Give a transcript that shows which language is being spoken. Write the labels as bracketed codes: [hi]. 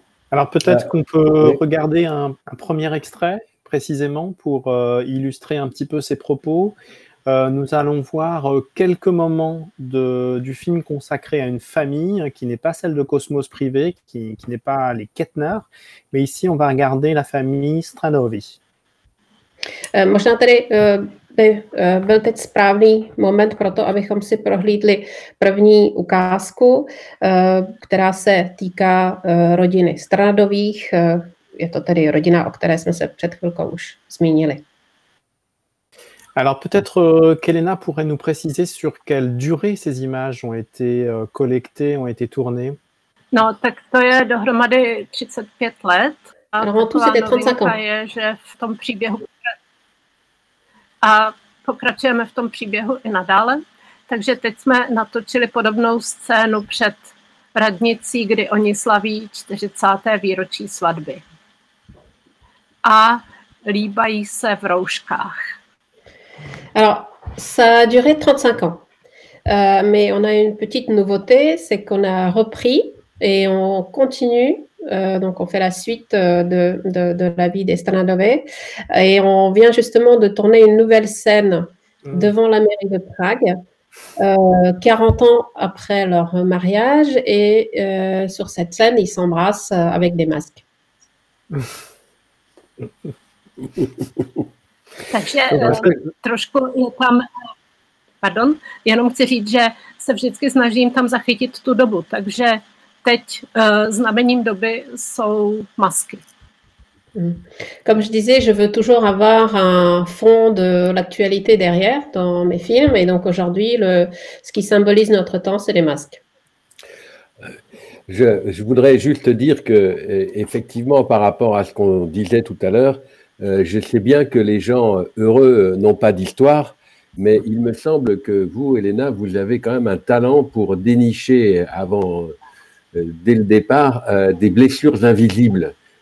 [fr] Alors peut-être qu'on peut regarder un premier extrait précisément pour illustrer un petit peu ses propos. Nous allons voir quelques moments du film consacré à une famille qui n'est pas celle de Cosmos Privé, qui n'est pas les Kettner, mais ici on va regarder la famille Stranovi. [cs] Možná tady by byl teď správný moment pro to, abychom si prohlídli první ukázku, která se týká rodiny Stranovích. Je to tedy rodina, o které jsme se před chvilkou už zmínili. [fr] Alors peut-être qu'Elena pourrait nous préciser sur quelle durée ces images ont été collectées, ont été tournées. [cs] No, tak to je dohromady 35 let. A novinka je, že v tom příběhu a pokračujeme v tom příběhu i nadále. Takže teď jsme natočili podobnou scénu před radnicí, kdy oni slaví 40. výročí svatby. A líbají se v rouškách. [fr] Alors, ça a duré 35 ans, mais on a une petite nouveauté, c'est qu'on a repris et on continue, donc on fait la suite de la vie des Stranovi, et on vient justement de tourner une nouvelle scène devant la mairie de Prague, 40 ans après leur mariage, et sur cette scène, ils s'embrassent avec des masques. [cs] Takže trošku je tam, pardon, jenom chci říct, že se vždycky snažím tam zachytit tu dobu, takže teď znamením doby jsou masky. [fr] Comme je disais, je veux toujours avoir un fond de l'actualité derrière dans mes films, et donc aujourd'hui, ce qui symbolise notre temps, c'est les masques. Je voudrais juste dire que, effectivement, par rapport à ce qu'on disait tout à l'heure, je sais bien que les gens heureux n'ont pas d'histoire, mais il me semble que vous, Elena, vous avez quand même un talent pour dénicher dès le départ, des blessures invisibles.